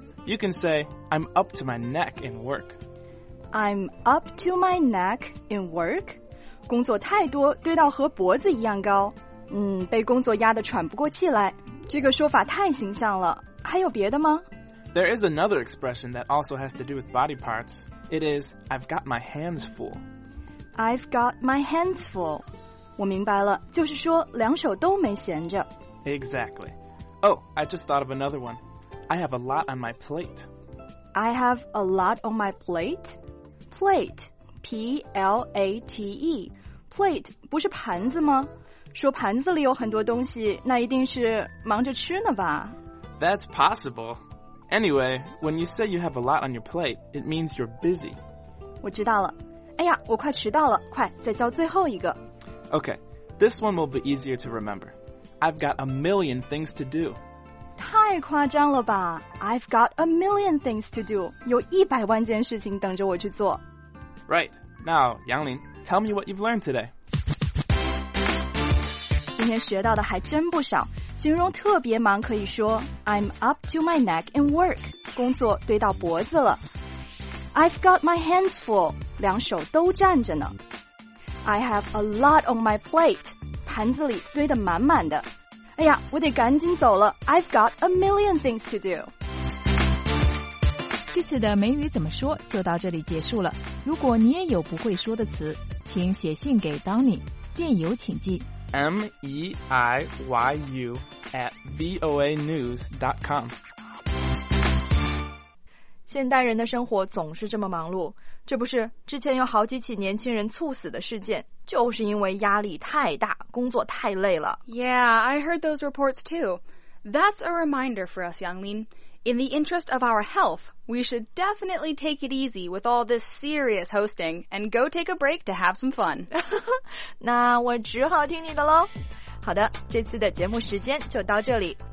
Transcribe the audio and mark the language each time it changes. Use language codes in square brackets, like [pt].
[en] You can say, I'm up to my neck in work. I'm up to my neck in work? [zh] 工作太多，堆到和脖子一样高。被工作压得喘不过气来。这个说法太形象了。还有别的吗？ [en] There is another expression that also has to do with body parts. It is, I've got my hands full. I've got my hands full. [zh] 我明白了，就是说两手都没闲着。 [en] Exactly. Oh, I just thought of another one. I have a lot on my plate. I have a lot on my plate? Plate. [zh] P-L-A-T-E. Plate 不是盘子吗？说盘子里有很多东西，那一定是忙着吃呢吧？ [en] That's possible. Anyway, when you say you have a lot on your plate, it means you're busy. [zh] 我知道了。哎呀，我快迟到了，快，再教最后一个。 [en] Okay, this one will be easier to remember. I've got a million things to do. [zh] 太夸张了吧。 [en] I've got a million things to do. [zh] 有100万件事情等着我去做。 [en] Right. Now, Yanglin, tell me what you've learned today. [zh] 今天学到的还真不少。形容特别忙可以说 [en] I'm up to my neck in work [zh] 工作堆到脖子了 [en] I've got my hands full [zh] 两手都站着呢 [en] I have a lot on my plate [zh] 盘子里堆得满满的哎呀我得赶紧走了 [en] I've got a million things to do [zh] 这次的美语怎么说就到这里结束了如果你也有不会说的词请写信给 Donny 电邮请寄 [en] MEIYU@VOANews.com [zh] 现代人的生活总是这么忙碌这不是之前有好几起年轻人猝死的事件就是因为压力太大工作太累了 [en] Yeah, I heard those reports too That's a reminder for us, Yanglin In the interest of our health We should definitely take it easy with all this serious hosting and go take a break to have some fun. [zh] 那我只好听你的咯。好的，这次的节目时间就到这里。